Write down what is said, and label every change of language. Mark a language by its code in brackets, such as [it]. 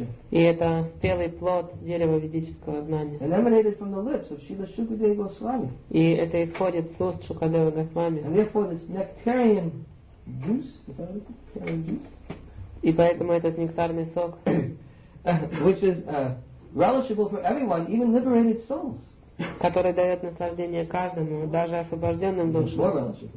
[ru] И это спелый плод дерева ведического знания. [en] And emanated from the lips of Srila Shukadeva Goswami. [ru] И это исходит с уст Шукадевы Госвами. [en] And therefore this nectarian juice, is that it? Nectarian juice? [ru] И поэтому этот нектарный сок, [en] which is relishable for everyone, even liberated souls. [ru] Который дает наслаждение каждому, даже освобожденным душам.